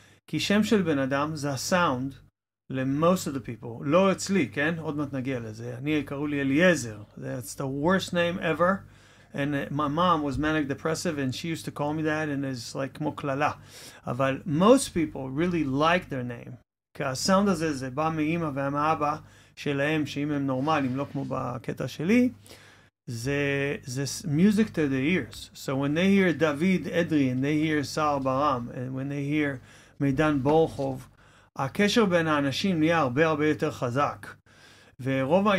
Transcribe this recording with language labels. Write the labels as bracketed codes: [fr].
[he] כי שם של בן אדם זה הסאונד [en] למוסט אוף דה פיפל, [he] לא אצלי, כן? עוד מעט נגיע לזה. אני, קראו לי אליעזר. [en] That's the worst name ever. And my mom was manic depressive and she used to call me that and it's like [he] כמו כללה. [en] אבל most people really like their name. [he] כי הסאונד הזה זה בא מאמא ומאבא שלהם, שאם הם נורמליים, לא כמו בקטע שלי, זה [en] music to the ears. So when they hear דוד אדרי and they hear סער ברם and when they hear מידן בורוכוב, [he] הקשר בין האנשים נהיה הרבה הרבה יותר חזק. ורוב ה...